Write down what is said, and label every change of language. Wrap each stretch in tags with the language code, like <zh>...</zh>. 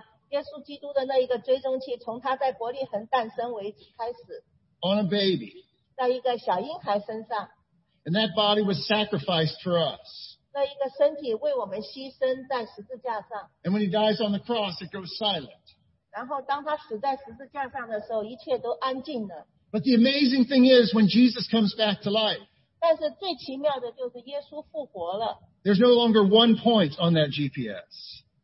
<zh>耶稣基督的那一个追踪器从他在伯利恒诞生为止开始,</zh> <en>on a baby.</en> <zh>在一个小婴孩身上,</zh> <en>and that body was sacrificed for us.</en> <zh>那一个身体为我们牺牲在十字架上,</zh> <en>and when he dies on the cross, it goes silent.</en> <zh>然后当他死在十字架上的时候,</zh> <en>but the amazing thing is, when Jesus comes back to life,</en> <zh>但是最奇妙的就是耶稣复活了,</zh> <en>there's no longer one point on that GPS.</en>